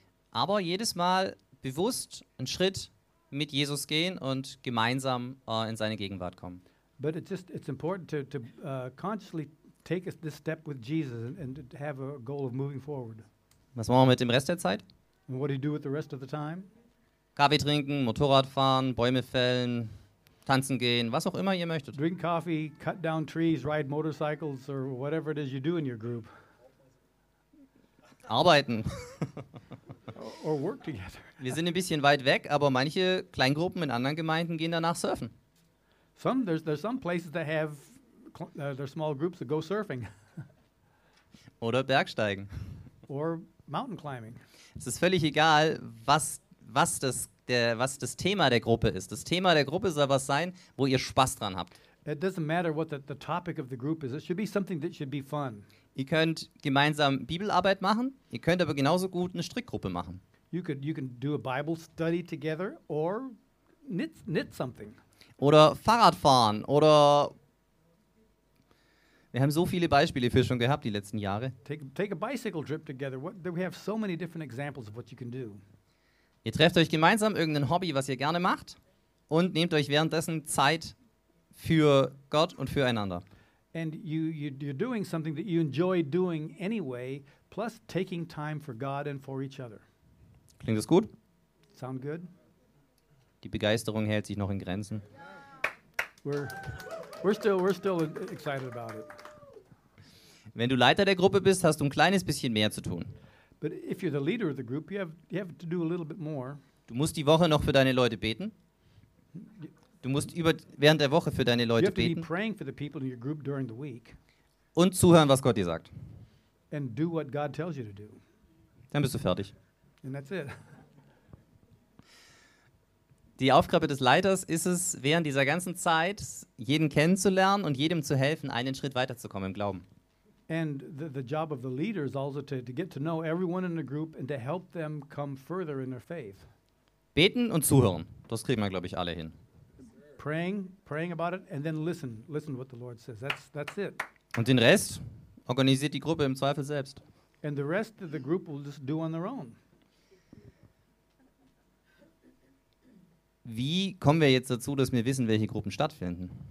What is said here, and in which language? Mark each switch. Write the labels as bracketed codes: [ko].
[de] Aber jedes Mal bewusst einen Schritt mit Jesus gehen und gemeinsam in seine Gegenwart kommen. [en] But it's important to consciously take this step with Jesus and to have a goal of moving forward. [de] Was machen wir mit dem Rest der Zeit? [en] And what do you do with the rest of the time? [de] Kaffee trinken, Motorrad fahren, Bäume fällen, tanzen gehen, was auch immer ihr möchtet. [en] Drink coffee, cut down trees, ride motorcycles or whatever it is you do in your group. [de] Arbeiten. [en] Or work together. [de] Wir sind ein bisschen weit weg, aber manche Kleingruppen in anderen Gemeinden gehen danach surfen. [en] Some there's some places that have their small groups that go surfing. [de] Oder Bergsteigen. [en] Or mountain climbing. [de] Es ist völlig egal, was das Thema der Gruppe ist. Das Thema der Gruppe soll was sein, wo ihr Spaß dran habt. [en] It doesn't matter what the topic of the group is. It should be something that should be fun. [de] Ihr könnt gemeinsam Bibelarbeit machen. Ihr könnt aber genauso gut eine Strickgruppe machen. [en] You can do a Bible study together or knit something. [de] Oder Fahrrad fahren oder wir haben so viele Beispiele für schon gehabt die letzten Jahre. [en] Take a bicycle trip together. We have so many different examples of what you can do. [de] Ihr trefft euch gemeinsam irgendein Hobby, was ihr gerne macht und nehmt euch währenddessen Zeit für Gott und füreinander. [en] And you're doing something that you enjoy doing anyway, plus taking time for God and for each other. [de] Klingt das gut? [en] Sound good? [de] Die Begeisterung hält sich noch in Grenzen. [en] We're still excited about it. [de] Wenn du Leiter der Gruppe bist, hast du ein kleines bisschen mehr zu tun. [en] But if you're the leader of the group, you have to do a little bit more. [de] Du musst die Woche noch für deine Leute beten. Du musst während der Woche für deine Leute beten. [en] You have to be praying for the people in your group during the week. [de] Und zuhören, was Gott dir sagt. [en] And do what God tells you to do. [de] Dann bist du fertig. [en] And that's it. [de] Die Aufgabe des Leiters ist es, während dieser ganzen Zeit jeden kennenzulernen und jedem zu helfen, einen Schritt weiterzukommen im Glauben. [en] And the job of the leader is also to get to know everyone in the group and to help them come further in their faith. [de] Beten und zuhören, das kriegen wir, glaube ich, alle hin. [en] Praying about it and then listen what the Lord says. That's it. [de] Und den Rest organisiert die Gruppe im Zweifel selbst. [en] And the rest of the group will just do on their own. [de] Wie kommen wir jetzt dazu, dass wir wissen, welche Gruppen stattfinden?